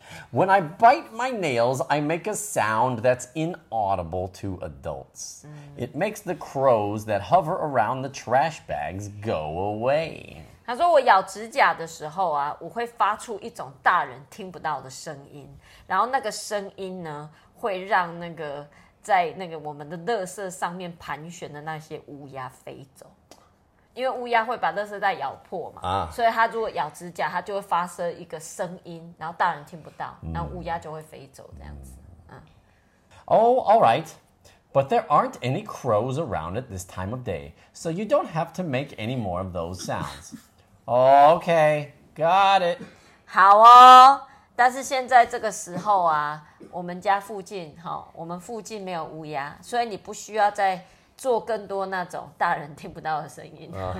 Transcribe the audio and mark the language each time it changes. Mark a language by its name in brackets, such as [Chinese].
[English] When I bite my nails, I make a sound that's inaudible to adults. It makes the crows that hover around the trash bags go away. [Chinese] 他说我咬指甲的时候啊，我会发出一种大人听不到的声音，然后那个声音呢，会让那个在那个我们的垃圾上面盘旋的那些乌鸦飞走。因为乌鸦会把垃圾袋咬破嘛、啊、所以它如果咬指甲它就会发生一个声音然后大人听不到、嗯、然后乌鸦就会飞走这样子、嗯、 [English] Oh, alright. But there aren't any crows around at this time of day, so you don't have to make any more of those sounds. Okay, got it. [Chinese] 好哦，但是现在这个时候啊，我们家附近，我们附近没有乌鸦，所以你不需要再做更多那种大人听不到的声音。